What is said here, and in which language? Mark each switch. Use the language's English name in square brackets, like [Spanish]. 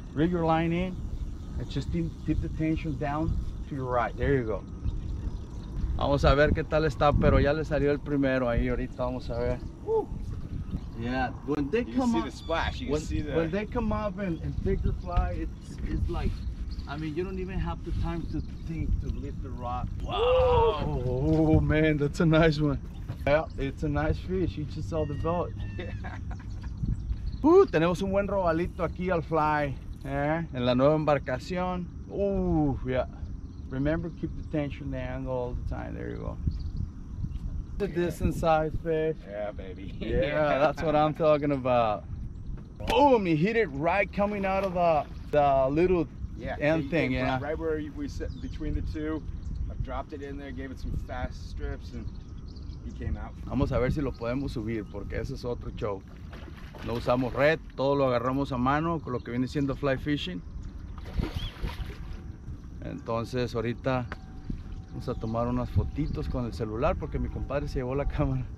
[English] Rig your line in and just tip the tension down to your right. There you go. [Spanish] Vamos a ver qué tal está, pero ya le salió el primero ahí ahorita. Vamos a ver. [English] Yeah. When they come up, when they come up and take the fly, it's like, I mean, you don't even have the time to think to lift the rod. Wow. Oh man, that's a nice one. Yeah, it's a nice fish. You just saw the boat. [Spanish] Tenemos un buen robalito aquí al fly, en la nueva embarcación. [English] Yeah. Remember, keep the tension angle all the time. There you go. Okay. The distance size fish. Yeah, baby. Yeah, that's what I'm talking about. Boom, you hit it right coming out of the little end thing. Yeah, right where we sit between the two. I dropped it in there, gave it some fast strips, and he came out. [Spanish] Vamos a ver si lo podemos subir, porque ese es otro show. No usamos red, todo lo agarramos a mano con lo que viene siendo fly fishing. Entonces ahorita vamos a tomar unas fotitos con el celular porque mi compadre se llevó la cámara.